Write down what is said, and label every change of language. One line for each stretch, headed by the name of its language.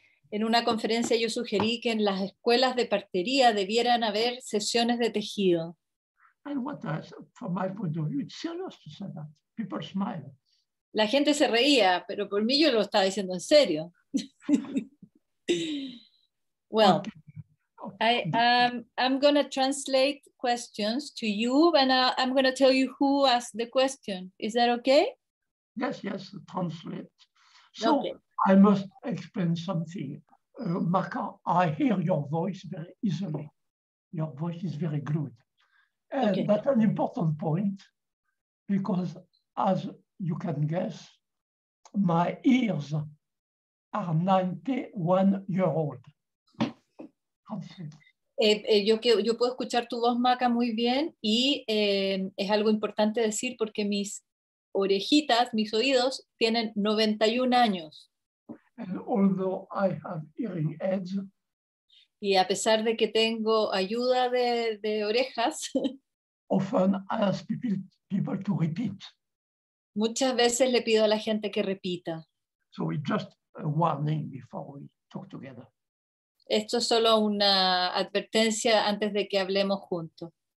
Spanish: En una conferencia yo sugerí que en las escuelas de partería debieran haber sesiones de tejido.
English: And what else, from my point of view, it's serious to say that. People smile.
Spanish: La gente se reía, pero por mí yo lo estaba diciendo en serio.
English: Well, okay. I'm going to translate questions to you, and I'm going to tell you who asked the question. Is that okay? Yes, translate. So okay. I must explain something. Marca, I hear your voice very easily. Your voice is very good. And okay. That's an important point, because as you can guess, my ears are 91 years old.
Spanish: Yo puedo escuchar tu voz, Maca, muy bien, y es algo importante decir porque mis orejitas, mis oídos, tienen 91 años.
English: And although I have hearing aids,
Spanish: y a pesar de que tengo ayuda de orejas,
English: often I ask people to repeat.
Spanish: Muchas veces le pido a la gente que repita.
English: So it's just a warning before we talk together.
Spanish: Esto es solo una advertencia antes de que hablemos juntos.